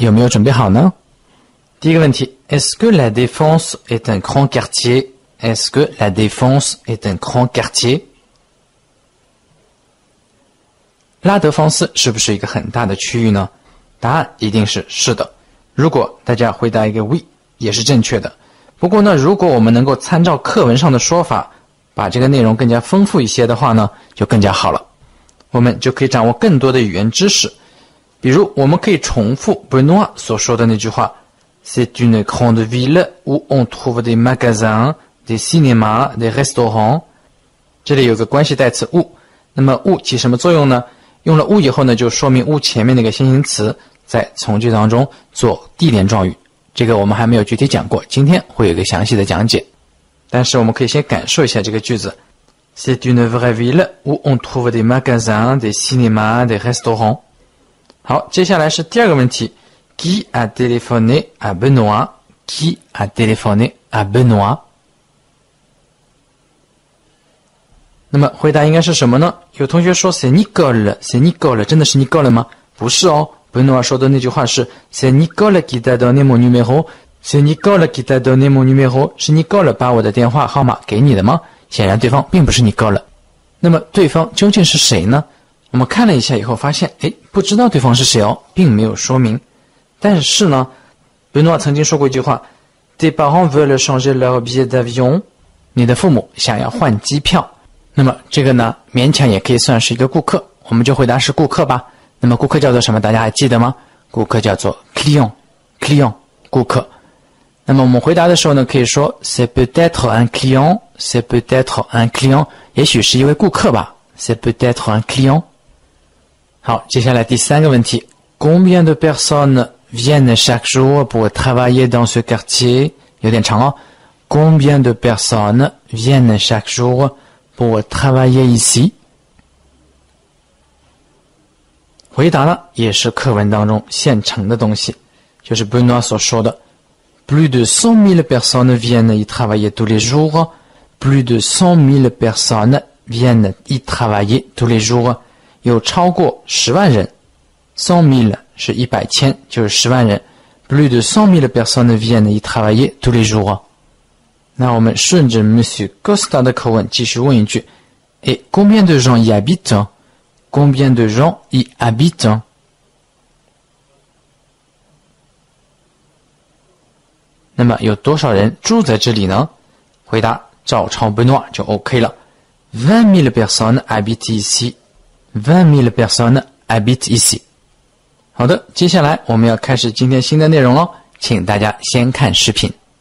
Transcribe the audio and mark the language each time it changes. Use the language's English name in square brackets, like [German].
[French] Est-ce que la Défense est un grand quartier? Est-ce que la Défense est un grand quartier? [Chinese] La Défense 是不是一个很大的区域呢？答案一定是是的。如果大家回答一个 oui， 也是正确的。不过呢，如果我们能够参照课文上的说法，把这个内容更加丰富一些的话呢，就更加好了。我们就可以掌握更多的语言知识。比如我们可以重复 Benoît 所说的那句话 [French] C'est une grande ville où on trouve des magasins, des cinémas, des restaurants. [Chinese] 这里有个关系代词 où， 那么 où 起什么作用呢？用了 où 以后呢，就说明 où 前面那个先行词在从句当中做地点状语。这个我们还没有具体讲过，今天会有一个详细的讲解。但是我们可以先感受一下这个句子 [French] C'est une vraie ville où on trouve des magasins, des cinémas, des restaurants。 [Chinese] 好，接下来是第二个问题。 [French] Qui a téléphoné à Benoît? Qui a téléphoné à Benoît? [Chinese] 那么回答应该是什么呢？有同学说 [French] c'est Nicole， c'est Nicole， [Chinese] 真的是 Nicole 吗？ 不是哦， Benoît 说的那句话是 [French] c'est Nicole qui t'a donné mon numéro， c'est Nicole qui t'a donné mon numéro， [Chinese] 是 Nicole 把我的电话号码给你的吗？显然对方并不是 Nicole。那么对方究竟是谁呢？我们看了一下以后发现，诶，不知道对方是谁哦，并没有说明。但是呢，贝诺曾经说过一句话 [French] Tes parents veulent changer leur billet d'avion， [Chinese] 你的父母想要换机票。那么这个呢，勉强也可以算是一个顾客，我们就回答是顾客吧。那么顾客叫做什么，大家还记得吗？顾客叫做 client， client， 顾客。那么我们回答的时候呢，可以说 [French] C'est peut-être un client， [Chinese] c'est peut-être un client， 也许是一位顾客吧。 [French] C'est peut-être un client。 [Chinese] 好，接下来第三个问题。 [French] Combien de personnes viennent chaque jour pour travailler dans ce quartier? [Chinese] 有点长哦。 [French] Combien de personnes viennent chaque jour pour travailler ici? [Chinese] 回答呢，也是课文当中现成的东西，就是 Benoît 所说的。 [French] Plus de 100 000 personnes viennent y travailler tous les jours. Plus de 100 000 personnes viennent y travailler tous les jours. [Chinese] 有超过十万人 ,100 000是一百千，就是十万人。 [French] Plus de 100 000 personnes viennent y travailler tous les jours。 [Chinese] 那我们顺着 Monsieur Costa 的口吻继续问一句 , [French] Et combien de gens y habitent? Combien de gens y habitent? [Chinese] 那么有多少人住在这里呢？回答照抄 Benoît 就 OK 了。 [French] 20 000 personnes habitent ici。 20 000 personnes habitent ici. [Chinese] 好的，接下来我们要开始今天新的内容了，请大家先看视频。